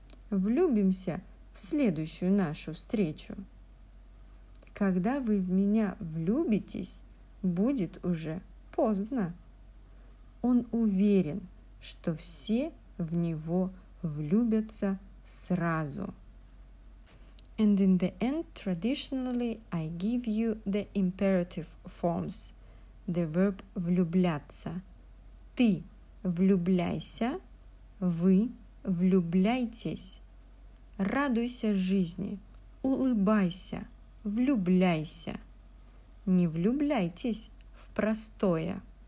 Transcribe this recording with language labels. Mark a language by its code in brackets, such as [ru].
[ru] Влюбимся в следующую нашу встречу. Когда вы в меня влюбитесь, будет уже поздно. Он уверен, что все в него влюбятся сразу. [en] And in the end, traditionally, I give you the imperative forms. The verb влюбляться. [ru] Ты влюбляйся, вы влюбляйтесь. Радуйся жизни, улыбайся, влюбляйся. Не влюбляйтесь в простое.